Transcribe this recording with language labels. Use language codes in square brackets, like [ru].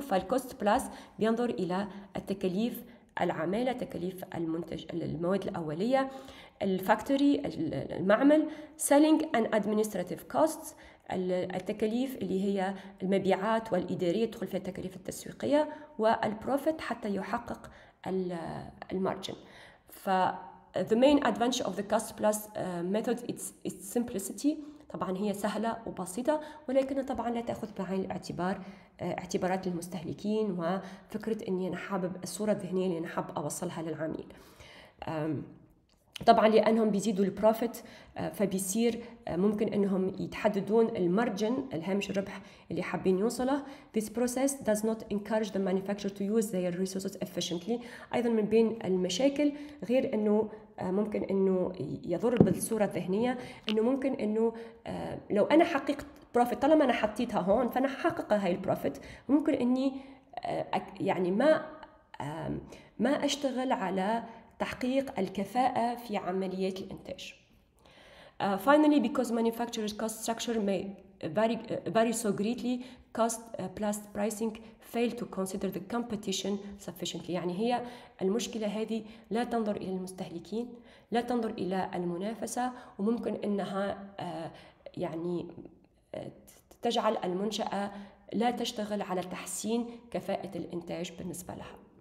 [ar] فالكوست بلس بينظر الى التكاليف العمالة، تكاليف المنتج، المواد الأولية، الفاكتوري، المعمل، [en] selling and administrative costs، [ar] التكاليف اللي هي المبيعات والإدارية تدخل فيها التكاليف التسويقية، والبروفيت حتى يحقق المارجن. [en] ف the main advantage of the cost plus method its simplicity. [ar] طبعا هي سهلة وبسيطة، ولكن طبعا لا تأخذ بعين الاعتبار اعتبارات المستهلكين وفكرة اني انا حابب الصورة الذهنية اللي انا حاب اوصلها للعميل. طبعا لانهم بيزيدوا البروفيت فبيصير ممكن انهم يتحددون المارجن الهامش الربح اللي حابين يوصله. [en] This process does not encourage the manufacturer to use their resources efficiently. [ar] ايضا من بين المشاكل غير انه ممكن انه يضر بالصورة الذهنية، انه ممكن انه لو انا حققت بروفيت، طالما انا حطيتها هون فانا حقق هاي البروفيت، ممكن اني يعني ما اشتغل على تحقيق الكفاءة في عمليات الانتاج. [en] Finally, because manufacturer's cost structure may vary so greatly, cost plus pricing fail to consider the competition sufficiently. [ar] يعني هي المشكلة هذه لا تنظر إلى المستهلكين، لا تنظر إلى المنافسة، وممكن إنها يعني تجعل المنشأة لا تشتغل على تحسين كفاءة الانتاج بالنسبة لها.